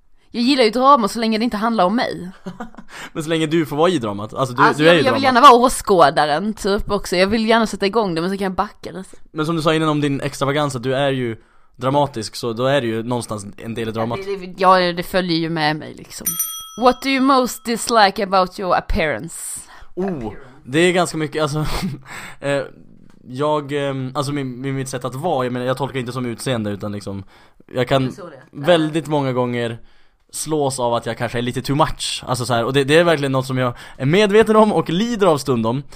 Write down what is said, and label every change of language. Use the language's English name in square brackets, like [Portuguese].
[Swedish] Jag gillar ju drama så länge det inte handlar om mig. Men så länge du får vara i dramat. Alltså, du är ju jag vill gärna vara åskådaren typ också. Jag vill gärna sätta igång det, men så kan jag backa det. Men som du sa innan om din extravagans, att du är ju dramatisk, så då är det ju någonstans en del i dramat. Det följer ju med mig liksom. [English] What do you most dislike about your appearance? [Swedish] Det är ganska mycket. Alltså mitt sätt att vara. Jag menar, jag tolkar inte som utseende, utan liksom jag kan väldigt många gånger slås av att jag kanske är lite [English] too much. [Swedish] Alltså så här, och det är verkligen något som jag är medveten om och lider av stundom.